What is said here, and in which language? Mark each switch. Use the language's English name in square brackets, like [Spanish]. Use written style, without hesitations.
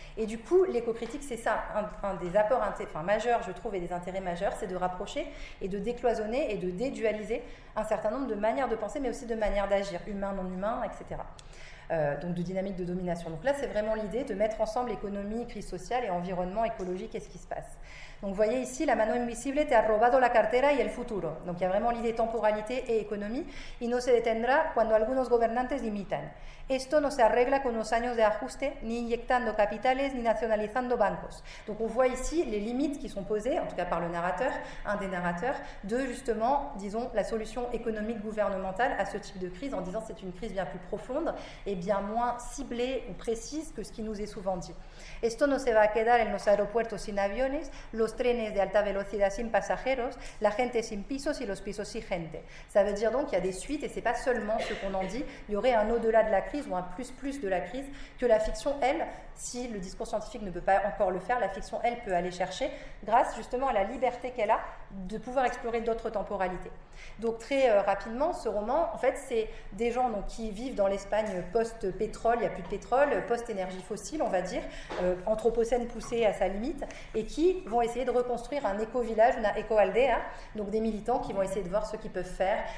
[French] Et du coup, l'écocritique, c'est ça, un des apports majeurs, je trouve, et des intérêts majeurs, c'est de rapprocher et de décloisonner et de dédualiser un certain nombre de manières de penser, mais aussi de manières d'agir, humain, non humain, etc. Donc de dynamique de domination. Donc là, c'est vraiment l'idée de mettre ensemble économie, crise sociale et environnement, écologique, et ce qui se passe. Donc vous voyez ici, [Spanish] la mano invisible te ha robado la cartera y el futuro. [French] Donc il y a vraiment l'idée temporalité et économie. [Spanish] Y no se detendrá cuando algunos gobernantes dimitan. Esto no se arregla con unos años de ajuste, ni inyectando capitales, ni nacionalizando bancos. [French] Donc on voit ici les limites qui sont posées, en tout cas par le narrateur, un des narrateurs, de justement, disons, la solution économique gouvernementale à ce type de crise, en disant que c'est une crise bien plus profonde et bien moins ciblée ou précise que ce qui nous est souvent dit. [Spanish] Esto no se va a quedar en los aeropuertos sin aviones, los trenes de alta velocidad sin pasajeros, la gente sin pisos y los pisos sin gente. [French] Ça veut dire donc qu'il y a des suites, et c'est pas seulement ce qu'on en dit, il y aurait un au-delà de la crise ou un plus de la crise que la fiction, elle, si le discours scientifique ne peut pas encore le faire, la fiction, elle, peut aller chercher grâce justement à la liberté qu'elle a de pouvoir explorer d'autres temporalités. Donc très rapidement, ce roman, en fait, c'est des gens donc, qui vivent dans l'Espagne post-pétrole, il n'y a plus de pétrole, post-énergie fossile, on va dire, anthropocène poussée à sa limite, et qui vont essayer de reconstruire un éco-village, une éco-aldea, donc des militants qui vont essayer de voir ce qu'ils peuvent faire.